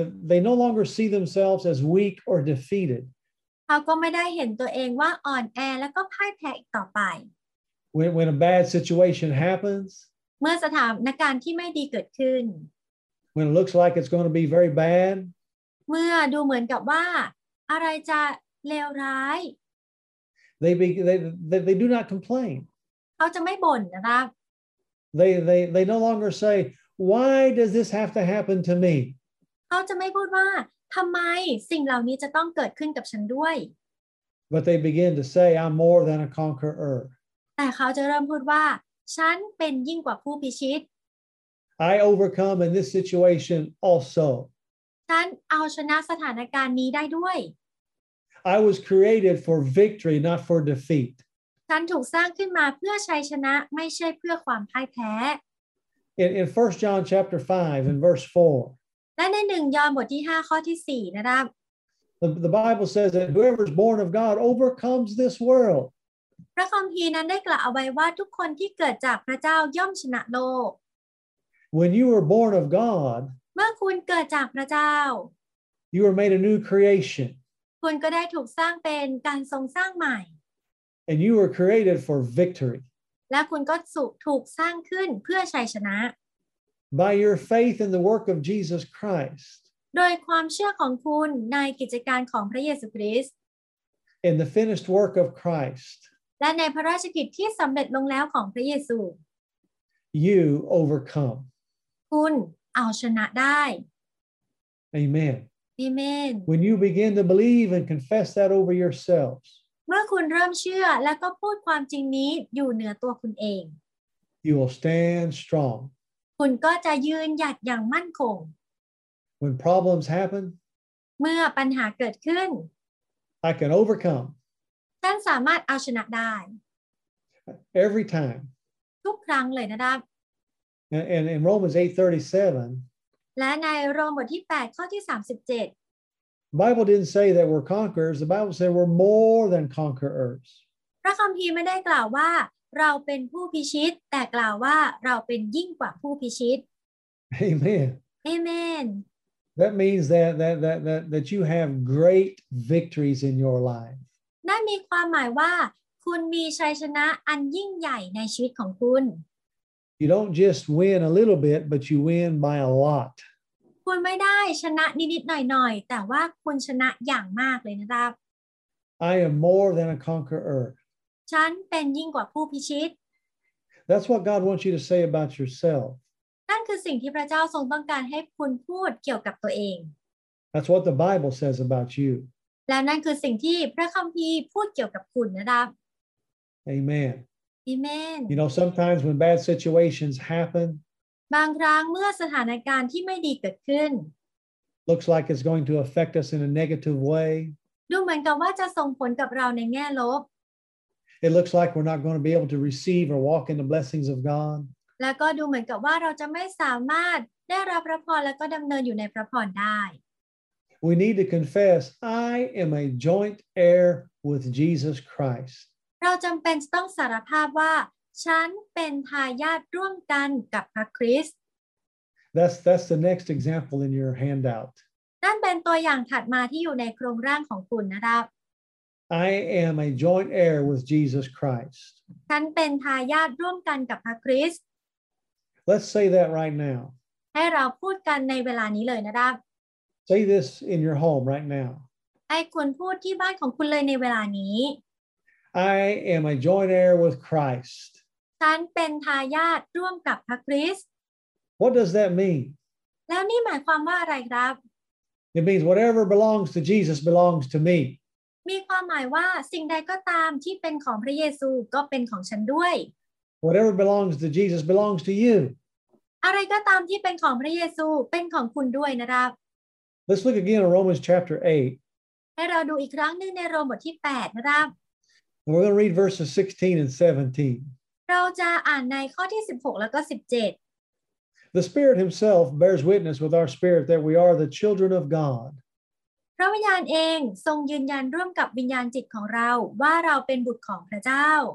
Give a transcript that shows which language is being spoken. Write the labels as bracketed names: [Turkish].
[English] they no longer see themselves as weak or defeated. [Thai] เขาก็ไม่ได้เห็นตัวเองว่าอ่อนแอแล้วก็พ่ายแพ้อีกต่อไป [English] When a bad situation happens, [Thai] เมื่อสถานการณ์ที่ไม่ดีเกิดขึ้น [English] When it looks like it's going to be very bad, [Thai] เมื่อดูเหมือนกับว่าอะไรจะเลวร้าย [English] they do not complain [Thai] เขาจะไม่บ่นนะครับ [English] they no longer say why does this have to happen to me [Thai] เขาจะไม่พูดว่าทำไมสิ่งเหล่านี้จะต้องเกิดขึ้นกับฉันด้วย [English] but they begin to say I'm more than a conqueror [Thai] แต่เขาจะเริ่มพูดว่าฉันเป็นยิ่งกว่าผู้พิชิต [English] I overcome in this situation also [Thai] ฉันเอาชนะสถานการณ์นี้ได้ด้วย [English] I was created for victory, not for defeat. [Thai] ฉันถูกสร้างขึ้นมาเพื่อชัยชนะไม่ใช่เพื่อความพ่ายแพ้ [English] In 1 John chapter 5 and verse 4. [Thai] และใน1ยอห์นบทที่5ข้อที่4นะครับ [English] The Bible says that whoever is born of God overcomes this world. [Thai] พระคัมภีร์นั้นได้กล่าวเอาไว้ว่าทุกคนที่เกิดจากพระเจ้าย่อมชนะโลก [English] When you were born of God, [Thai] เมื่อคุณเกิดจากพระเจ้า [English] You were made a new creation. [Thai] คุณก็ได้ถูกสร้างเป็นการทรงสร้างใหม่ [English] And you were created for victory [Thai] และคุณก็ถูกสร้างขึ้นเพื่อชัยชนะ [English] By your faith in the work of Jesus Christ [Thai] โดยความเชื่อของคุณในกิจการของพระเยซูคริสต์ [English] In the finished work of Christ [Thai] และในพระราชกิจที่สำเร็จลงแล้วของพระเยซู [English] You overcome [Thai] คุณเอาชนะได้ [English] Amen Amen. When you begin to believe and confess that over yourselves, [Thai] เมื่อคุณเริ่มเชื่อแล้วก็พูดความจริงนี้อยู่เหนือตัวคุณเอง [English] you will stand strong. [Thai] คุณก็จะยืนหยัดอย่างมั่นคง [English] When problems happen, [Thai] เมื่อปัญหาเกิดขึ้น [English] I can overcome [Thai] ท่านสามารถเอาชนะได้ [English] Every time [Thai] ทุกครั้งเลยนะครับ [English] And in Romans 8:37 [Thai] และในโรมบทที่8ข้อที่37 [English] Bible didn't say that we're conquerors the Bible said we're more than conquerors [Thai] พระคัมภีร์ไม่ได้กล่าวว่าเราเป็นผู้พิชิตแต่กล่าวว่าเราเป็นยิ่งกว่าผู้พิชิต [English] Amen Amen That means that you have great victories in your life [Thai] นั่นมีความหมายว่าคุณมีชัยชนะอันยิ่งใหญ่ในชีวิตของคุณ [English] You don't just win a little bit but you win by a lot [Thai] คุณไม่ได้ชนะนิดๆหน่อยๆแต่ว่าคุณชนะอย่างมากเลยนะครับ [English] I am more than a conqueror [Thai] ฉันเป็นยิ่งกว่าผู้พิชิต [English] That's what God wants you to say about yourself [Thai] นั่นคือสิ่งที่พระเจ้าทรงต้องการให้คุณพูดเกี่ยวกับตัวเอง [English] That's what the Bible says about you [Thai] และนั่นคือสิ่งที่พระคัมภีร์พูดเกี่ยวกับคุณนะครับ [English] Amen Amen You know sometimes when bad situations happen [Thai] บางครั้งเมื่อสถานการณ์ที่ไม่ดีเกิดขึ้น [English] Looks like it's going to affect us in a negative way [Thai] ดูเหมือนกับว่าจะส่งผลกับเราในแง่ลบ [English] It looks like we're not going to be able to receive or walk in the blessings of God. [Thai] แล้วก็ดูเหมือนกับว่าเราจะไม่สามารถได้รับพระพรแล้วก็ดำเนินอยู่ในพระพรได้ [English] We need to confess, I am a joint heir with Jesus Christ. [Thai] เราจำเป็นต้องสารภาพว่าฉันเป็นทายาทร่วมกันกับพระคริสต์ [English] That's the next example in your handout. [Thai] นั่นเป็นตัวอย่างถัดมาที่อยู่ในโครงร่างของคุณนะครับ [English] I am a joint heir with Jesus Christ. [Thai] ฉันเป็นทายาทร่วมกันกับพระคริสต์ [English] Let's say that right now. [Thai] ให้เราพูดกันในเวลานี้เลยนะครับ [English] Say this in your home right now. [Thai] ให้คุณพูดที่บ้านของคุณเลยในเวลานี้ [English] I am a joint heir with Christ. [Thai] ฉันเป็นทายาทร่วมกับพระคริสต์ [English] What does that mean? [Thai] แล้วนี่หมายความว่าอะไรครับ [English] It means whatever belongs to Jesus belongs to me. [Thai] มีความหมายว่าสิ่งใดก็ตามที่เป็นของพระเยซูก็เป็นของฉันด้วย [English] Whatever belongs to Jesus belongs to you [Thai] อะไรก็ตามที่เป็นของพระเยซูเป็นของคุณด้วยนะครับ [English] Let's look again in Romans chapter 8 [Thai] ให้เราดูอีกครั้งนึงในโรมบทที่8นะครับ [English] We're going to read verses 16 and 17 [Thai] เราจะอ่านในข้อที่16แล้วก็17 [English] The Spirit himself bears witness with our spirit that we are the children of God [Thai] พระวิญญาณเองทรงยืนยันร่วมกับวิญญาณจิตของเราว่าเราเป็นบุตรของพระเจ้า